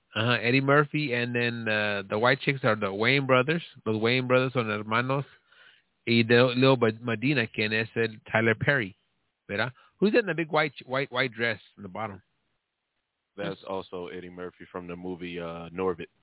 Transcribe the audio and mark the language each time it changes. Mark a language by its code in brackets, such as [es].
[en] Uh-huh, Eddie Murphy, and then the white chicks are the Wayne brothers. [es] Los Wayne brothers son hermanos. Y de Lil Medina, quien es el Tyler Perry, ¿verdad? [en] Who's in the big white dress in the bottom? That's also Eddie Murphy from the movie Norbit.